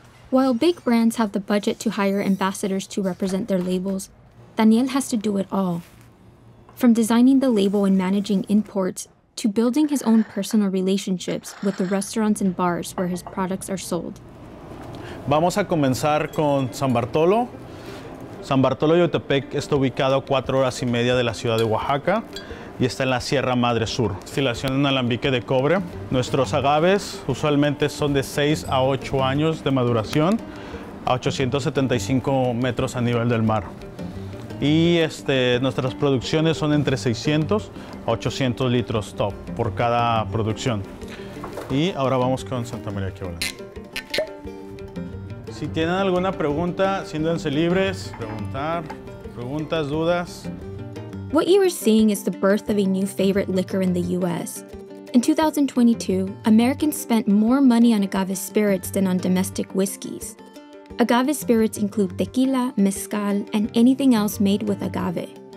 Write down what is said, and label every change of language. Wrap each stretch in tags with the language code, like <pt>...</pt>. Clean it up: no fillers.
<en>While big brands have the budget to hire ambassadors to represent their labels, Daniel has to do it all. From designing the label and managing imports to building his own personal relationships with the restaurants and bars where his products are sold.</en> <es>Vamos a comenzar con San Bartolo. San Bartolo Yotepec está ubicado a 4 horas y media de la ciudad de Oaxaca y está en la Sierra Madre Sur. Destilación en alambique de cobre. Nuestros agaves usualmente son de 6 a 8 años de maduración a 875 metros a nivel del mar. Y nuestras producciones son entre 600 a 800 litros top por cada producción. Y ahora vamos con Santa María Quebrada. Si tienen alguna pregunta, siéntanse libres, preguntar, preguntas, dudas.</es> <en>What you are seeing is the birth of a new favorite liquor in the U.S. In 2022, Americans spent more money on agave spirits than on domestic whiskeys. Agave spirits include tequila, mezcal, and anything else made with agave.</en>